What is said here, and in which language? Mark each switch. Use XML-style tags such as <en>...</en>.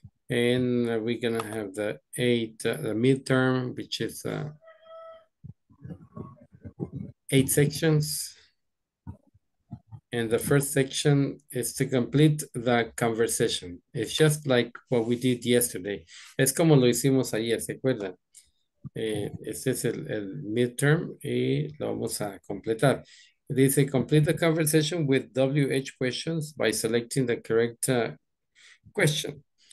<en>And we're going to have the eight, the midterm, which is eight sections. And the first section is to complete the conversation. It's just like what we did yesterday.</en> <es>Es como lo hicimos ayer, ¿se acuerdan? Este es el midterm y lo vamos a completar.</es> <en>Dice, complete the conversation with WH questions by selecting the correct question.</en>